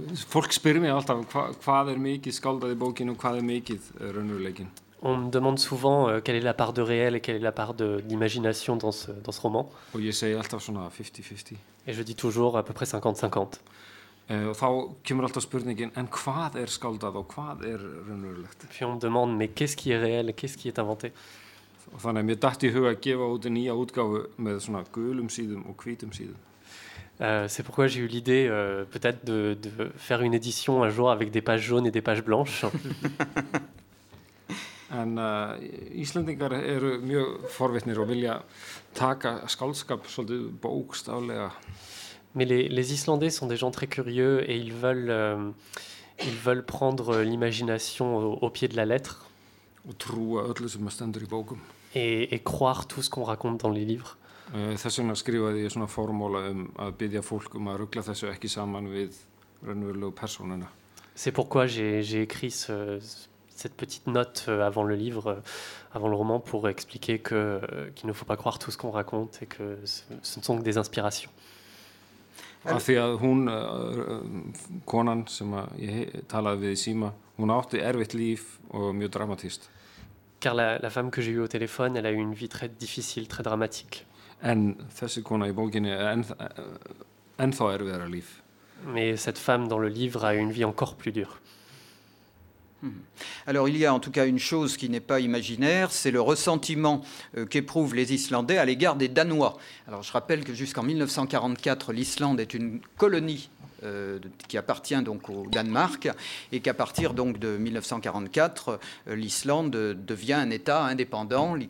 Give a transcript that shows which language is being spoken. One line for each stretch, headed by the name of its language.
Icelandic: Fólk spyr mig alltaf hvað mikið skáldað í bókinu og hvað mikið raunveruleikinn.
French: On me demande souvent quelle est la part de réel et quelle est la part d'imagination dans ce roman.
Icelandic: Og ég segi alltaf svona 50-50.
French: Et je dis toujours à peu près 50-50.
Icelandic: Og þá kemur alltaf spurningin, en hvað skáldað og hvað raunverulegt?
French: Puis on me demande, mais qu'est-ce qui est réel, qu'est-ce qui est inventé?
Icelandic: Og þannig að mér datt í hug að gefa út nýja útgáfu með svona gulum síðum og hvítum síðum.
French: C'est pourquoi j'ai eu l'idée peut-être de faire une édition un jour avec des pages jaunes et des pages blanches.
Icelandic: En Íslendingar eru mjög forvitnir og vilja taka skáldskap svolítið bókstaflega.
French: Mais les Islandais sont des gens très curieux et ils veulent prendre l'imagination au pied de la lettre.
Icelandic: Og trúa öllu sem stendur í bókum.
French: Et croire tout ce qu'on raconte dans les livres.
Icelandic: Þess vegna skrifaði ég svona formóla að biðja fólk að rugla þessu ekki saman við raunverulegu persónuna.
French: C'est pourquoi j'ai écrit cette petite note avant le livre, avant le roman, pour expliquer qu'il ne faut pas croire tout ce qu'on raconte et que ce ne sont que des inspirations.
Icelandic: Af því að hún, konan sem ég talaði við í síma, hún átti erfitt líf og mjög dramatist.
French: Car la femme que j'ai eu au téléphone, elle a eu une vie très difficile, très dramatique.
Icelandic: En þessi kona í bókinni ennþá erfiðara líf.
French: Mais cette femme dans le livre a une vie encore plus dure. Alors il y a en tout cas une chose qui n'est pas imaginaire, c'est le ressentiment qu'éprouvent les Islandais à l'égard des Danois. Alors je rappelle que jusqu'en 1944, l'Islande est une colonie qui appartient donc au Danemark et qu'à partir donc de 1944, l'Islande devient un État indépendant.